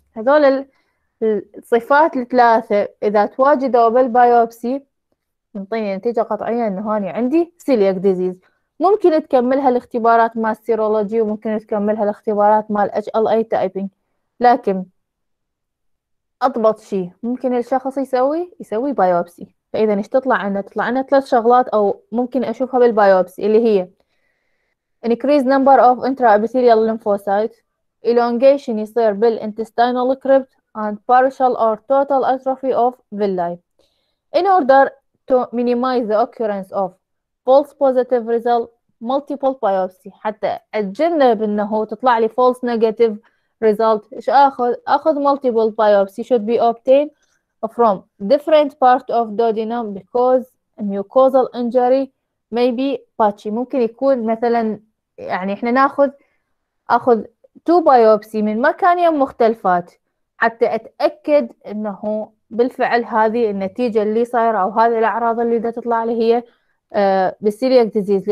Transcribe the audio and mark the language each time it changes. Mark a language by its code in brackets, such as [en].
[ar] هذول الصفات الثلاثة إذا تواجدوا بالبايوبسي ينطيني نتيجة قطعية إنه هاني عندي celiac disease. ممكن تكملها الاختبارات مال السيرولوجي، وممكن تكملها الاختبارات مال HLA typing، لكن أضبط شيء ممكن الشخص يسوي بايوبسي. فإذا إيش تطلع عنا ثلاث شغلات أو ممكن أشوفها بالبايوبسي، اللي هي [en] increase number of intraepithelial lymphocytes, elongation [ar] يصير بال [en] intestinal crypt and partial or total atrophy of villi. In order to minimize the occurrence of false positive result, multiple biopsy. [ar] حتى أتجنب أنه تطلع لي [en] false negative result، [ar] إيش أخذ؟ أخذ [en] multiple biopsy should be obtained from different part of duodenum because mucosal injury may be patchy. [ar] ممكن يكون مثلا يعني احنا اخذ تو بايوبسي من مكانين مختلفات حتى اتاكد انه بالفعل هذه النتيجه اللي صايره او هذه الاعراض اللي دا تطلع لي هي بالسيلياك ديزيز.